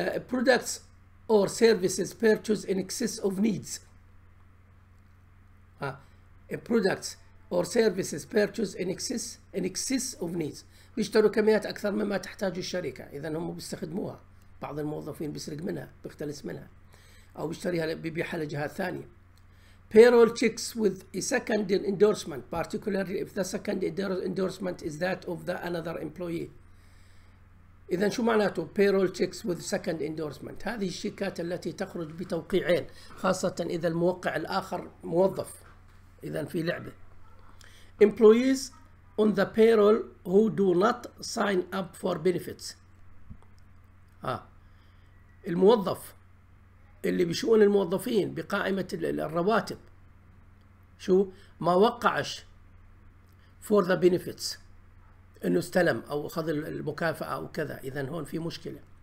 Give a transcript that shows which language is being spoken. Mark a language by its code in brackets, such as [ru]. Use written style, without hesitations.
[en] products or services purchased in excess of needs، [ar] products or services purchased in excess of needs، بيشتروا كميات أكثر مما تحتاج الشركة، إذا هم بيستخدموها، بعض الموظفين بيسرق منها، بيختلس منها، أو بيشتريها بيبيعها لجهات ثانية. [en] payroll checks with a second endorsement، particularly if the second endorsement is that of the another employee. [ar] إذا شو معناته [en] payroll checks with second endorsement؟ [ar] هذه الشيكات التي تخرج بتوقيعين، خاصة إذا الموقع الآخر موظف، إذا في لعبة. [en] employees on the payroll who do not sign up for benefits، [ar] الموظف اللي بشؤون الموظفين بقائمة الرواتب شو ما وقعش [en] for the benefits، [ar] انه استلم او اخذ المكافأة او كذا، اذا هون في مشكلة.